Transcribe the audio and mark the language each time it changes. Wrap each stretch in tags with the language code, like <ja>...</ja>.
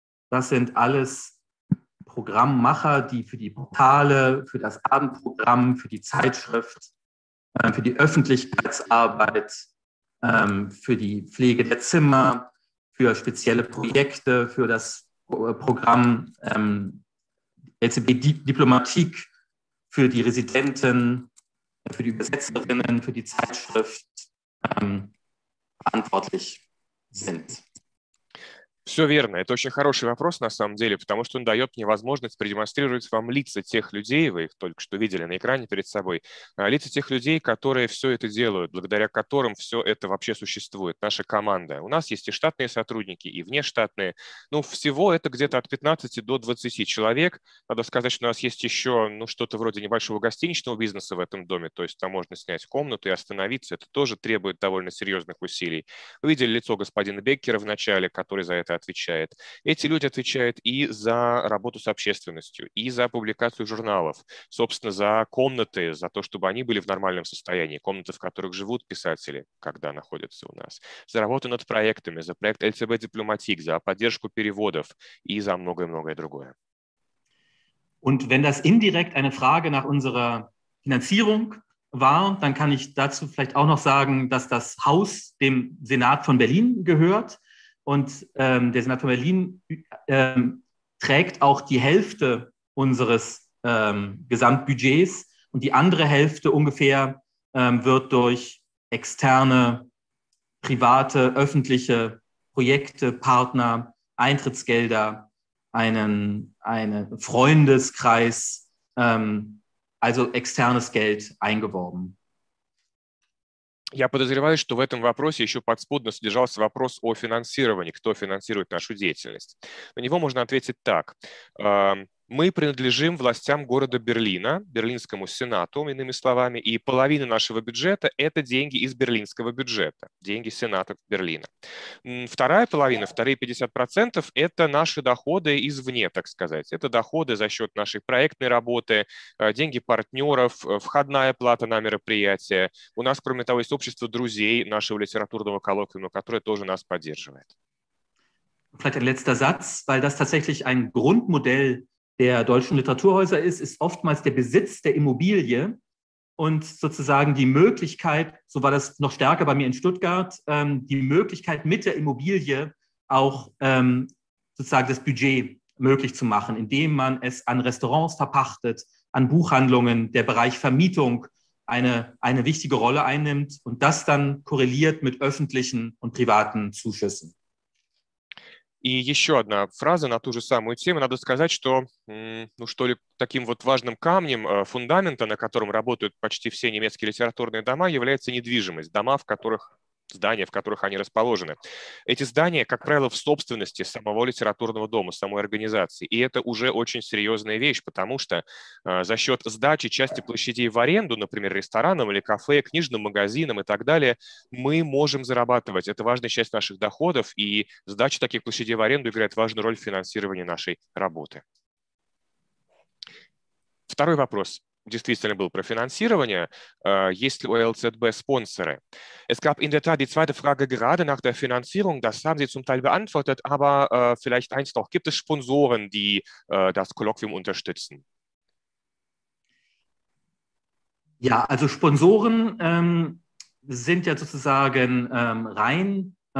<de>Das sind alles Programmmacher, die für die Portale, für das Abendprogramm, für die Zeitschrift, für die Öffentlichkeitsarbeit, für die Pflege der Zimmer, für spezielle Projekte, für das Programm LCB-Diplomatik, für die Residenten, für die Übersetzerinnen, für die Zeitschrift verantwortlich sind.</de> <ru>Все верно. Это очень хороший вопрос на самом деле, потому что он дает мне возможность продемонстрировать вам лица тех людей, вы их только что видели на экране перед собой, лица тех людей, которые все это делают, благодаря которым все это вообще существует, наша команда. У нас есть и штатные сотрудники, и внештатные. Ну, всего это где-то от 15 до 20 человек. Надо сказать, что у нас есть еще что-то вроде небольшого гостиничного бизнеса в этом доме, то есть там можно снять комнату и остановиться. Это тоже требует довольно серьезных усилий. Вы видели лицо господина Беккера в начале, который за это отвечает. Эти люди отвечают и за работу с общественностью, и за публикацию журналов, собственно, за комнаты, за то, чтобы они были в нормальном состоянии, комнаты, в которых живут писатели, когда находятся у нас, за работу над проектами, за проект LCB-Diplomatik, за поддержку переводов и за многое-многое другое.</ru> <de>Und wenn das indirekt eine Frage nach unserer Finanzierung war, dann kann ich dazu vielleicht auch noch sagen, dass das Haus dem Senat von Berlin gehört. Und der Senat von Berlin trägt auch die Hälfte unseres Gesamtbudgets und die andere Hälfte ungefähr wird durch externe, private, öffentliche Projekte, Partner, Eintrittsgelder, einen Freundeskreis, also externes Geld eingeworben.</de> <ru>Я подозреваю, что в этом вопросе еще подспудно содержался вопрос о финансировании, кто финансирует нашу деятельность. На него можно ответить так. Мы принадлежим властям города Берлина, Берлинскому Сенату, иными словами, и половина нашего бюджета – это деньги из берлинского бюджета, деньги Сената Берлина. Вторая половина, вторые 50% – это наши доходы извне, так сказать. Это доходы за счет нашей проектной работы, деньги партнеров, входная плата на мероприятия. У нас, кроме того, есть общество друзей нашего литературного коллоквиума, которое тоже нас поддерживает. Vielleicht ein letzter Satz, weil das tatsächlich ein Grundmodell der deutschen Literaturhäuser ist oftmals der Besitz der Immobilie und sozusagen die Möglichkeit, so war das noch stärker bei mir in Stuttgart, die Möglichkeit mit der Immobilie auch sozusagen das Budget möglich zu machen, indem man es an Restaurants verpachtet, an Buchhandlungen, der Bereich Vermietung eine wichtige Rolle einnimmt und das dann korreliert mit öffentlichen und privaten Zuschüssen. И еще одна фраза на ту же самую тему. Надо сказать, что, ну что ли, таким вот важным камнем фундамента, на котором работают почти все немецкие литературные дома, является недвижимость. Дома, в которых... здания, в которых они расположены. Эти здания, как правило, в собственности самого литературного дома, самой организации. И это уже очень серьезная вещь, потому что за счет сдачи части площадей в аренду, например, ресторанам или кафе, книжным магазинам и так далее, мы можем зарабатывать. Это важная часть наших доходов, и сдача таких площадей в аренду играет важную роль в финансировании нашей работы. Второй вопрос. Действительно был про финансирование. Есть ли у ЛЦБ спонсоры?</ru> <de>Es gab in der Tat die zweite Frage gerade nach der Finanzierung. Das haben Sie zum Teil beantwortet, aber vielleicht eins noch. Gibt es Sponsoren, die das Kolloquium unterstützen? Ja, also Sponsoren sind ja sozusagen rein</de>